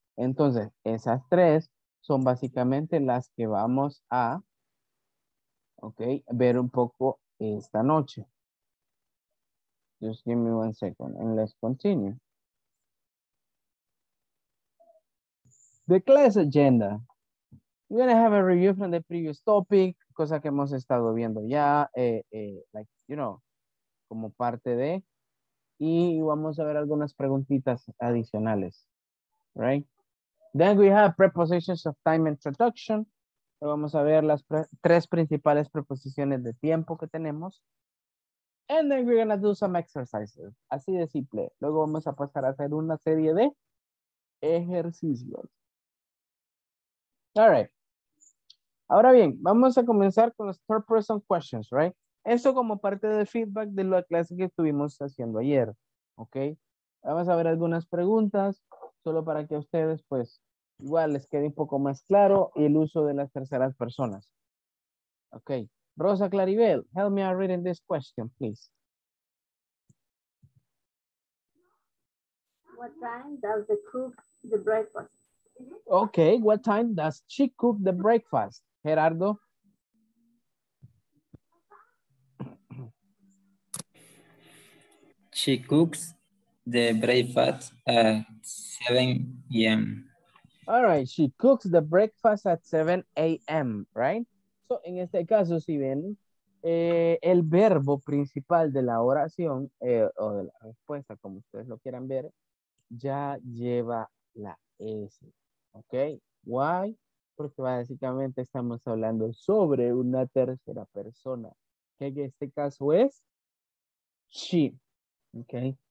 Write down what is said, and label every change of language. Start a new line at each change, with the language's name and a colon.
Spanish: Entonces, esas tres son básicamente las que vamos a, okay, ver un poco esta noche.
English: Just give me one second and let's continue. The class agenda. We're going to have a review from the previous topic,
Spanish: cosa que hemos estado viendo ya,
English: like, you know,
Spanish: como parte de, y vamos a ver algunas preguntitas adicionales,
English: right? Then we have prepositions of time introduction.
Spanish: Vamos a ver las tres principales preposiciones de tiempo que tenemos.
English: And then we're going to do some exercises.
Spanish: Así de simple. Luego vamos a pasar a hacer una serie de ejercicios. All right. Ahora bien, vamos a comenzar con los third person questions, right? Eso como parte del feedback de la clase que estuvimos haciendo ayer, ¿ok? Vamos a ver algunas preguntas, solo para que a ustedes, pues, igual les quede un poco más claro el uso de las terceras personas.
English: Ok, Rosa Claribel, help me out reading this question, please. What time does the cook the breakfast? Okay, what time does she cook the breakfast, Gerardo? She cooks the breakfast at 7 a.m. All right, she cooks the breakfast at 7 a.m., right?
Spanish: So, en este caso, si ven, el verbo principal de la oración o de la respuesta, como ustedes lo quieran ver, ya lleva la S, ¿ok? Why? Porque básicamente estamos hablando sobre una tercera persona, que en este caso es she, ¿ok?